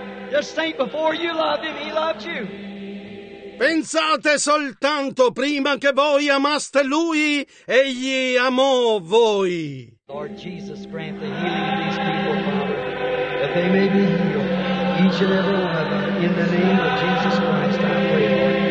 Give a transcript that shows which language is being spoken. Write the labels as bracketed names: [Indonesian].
[English] Just think, before you loved Him, He loved you. [Italian] Pensate soltanto, prima che voi amaste Lui, Egli amò voi. [English] Lord Jesus, grant the healing of these people, Father, that they may be healed, each and every one of them, in the name of Jesus Christ, I pray.